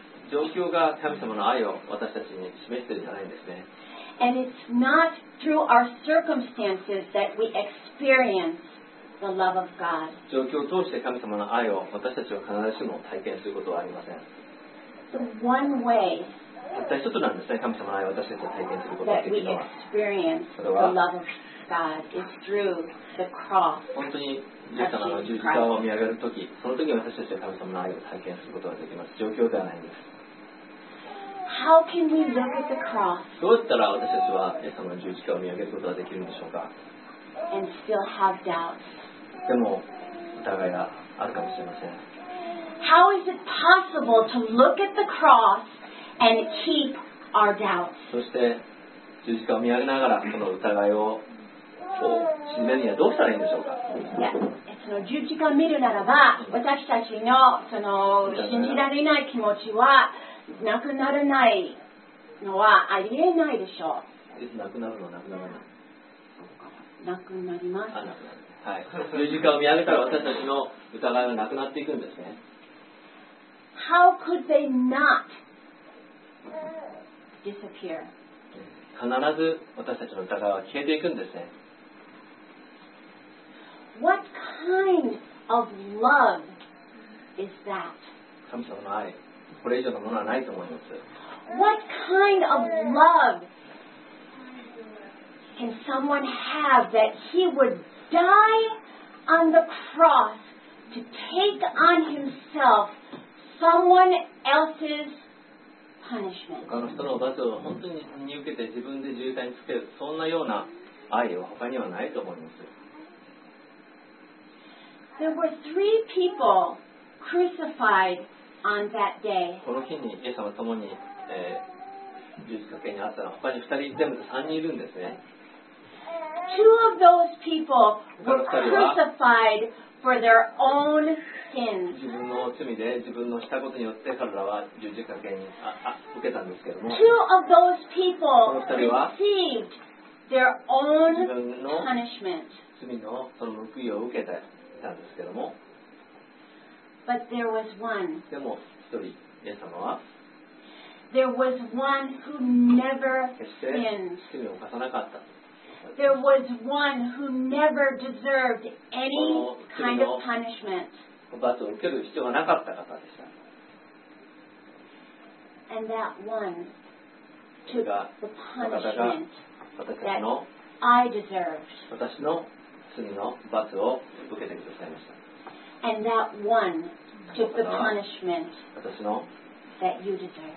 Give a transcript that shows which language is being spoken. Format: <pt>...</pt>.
<ja>状況が神様の愛を私たちに示しているんじゃないんですね。</ja> <en>And it's not through our circumstances that we experience the love of God.</en> <ja>状況を通して神様の愛を私たちは必ずしも体験することはありません。</ja> <en>The one way</en> <ja>たった一つなんですね、神様の愛を私たちは体験することができるのは。</ja> <en>That we experience the love of God is through the cross.</en> <ja>本当にイエス様の十字架を見上げるとき、そのとき私たちは神様の愛を体験することができます。状況ではないんです。</ja> <en>How can we look at the cross?</en> <ja>どうしたら私たちはイエス様の十字架を見上げることができるんでしょうか。</ja> <en>And still have doubts.</en> <ja>でも疑いがあるかもしれません。</ja> <en>How is it possible to look at the cross and keep our doubts?</en> <ja>そして十字架を見上げながらその疑いをを知るにはどうしたらいいんでしょうか。いや、その十字架を見るならば、私たちのその信じられない気持ちはなくならないのはありえないでしょう。いつなくなるの？なくならない。なくなります。はい。十字架を見上げたら私たちの疑いはなくなっていくんですね。</ja> <en>How could they not disappear?</en> <ja>必ず私たちの疑いは消えていくんですね。</ja> <en>What kind of love is that?</en> <ja>神様の愛、これ以上のものはないと思います。</ja> <en>What kind of love can someone have that he would die on the cross to take on himself someone else's?</en> <ja>他の人の罰を本当に受けて自分で渋滞につける、そんなような愛は他にはないと思います。</ja> <en>There were three people crucified on that day.</en> <ja>この日にイエス様ともに、十字架刑にあったのは他に2人、全部で3人いるんですね。</ja> <en>Two of those people were crucified for their own sins.</en> <ja>自分の罪で自分のしたことによって彼らは十字架刑に受けたんですけども、</ja> <en>Two of those people received their own punishment.</en> <ja>自分のその報いを受けたんですけども、</ja> <en>But there was one.</en> <ja>でも一人、イエス様は、</ja> <en>There was one who never sinned.</en> <ja>決して罪を犯さなかった。</ja> <en>There was one who never deserved any kind of punishment.</en> <ja>罰を受ける必要がなかった方でした。</ja> <en>And that one took the punishment that I deserved.</en> <ja>私の罪の罰を受けてくださいました。</ja> <en>And that one took the punishment that you deserved.</en>